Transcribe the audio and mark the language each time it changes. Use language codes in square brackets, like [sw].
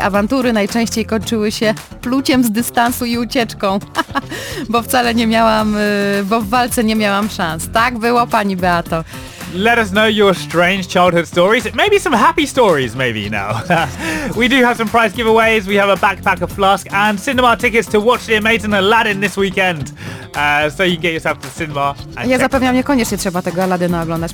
[pl] Awantury najczęściej kończyły się pluciem z dystansu i ucieczką, bo w walce nie miałam szans. Tak było, pani Beato. [en] Let us know your strange childhood stories. Maybe some happy stories, maybe, now. We do have some prize giveaways. We have a backpack, a flask, and cinema tickets to watch the amazing Aladdin this weekend. So you can get yourself to the cinema. [pl] Ja zapewniam, niekoniecznie trzeba tego Aladdina oglądać.